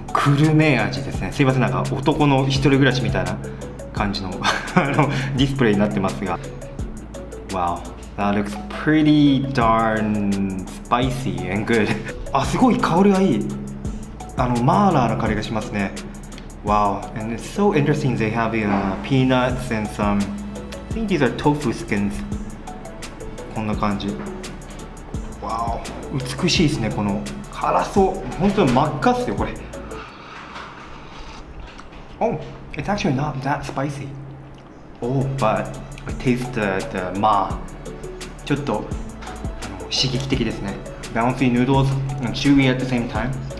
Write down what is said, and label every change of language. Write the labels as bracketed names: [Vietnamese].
[Japanese] クルメ味ですね。すいません、なんか男の一人暮らしみたいな感じの、ディスプレイになってますが。 [English] Wow, that looks pretty darn spicy and good. [Japanese] あ、すごい香りがいい。あの、マーラーの香りがしますね。 [English] Wow, and it's so interesting they have peanuts and some... I think these are tofu skins. [Japanese] こんな感じ。Wow, 美しいですね、この。辛そう。本当に真っ赤っすよ、これ。 [English] Oh, it's actually not that spicy. Oh, but I taste the ma. [Japanese] ちょっと刺激的ですね。 [English] Bouncy noodles and chewy at the same time.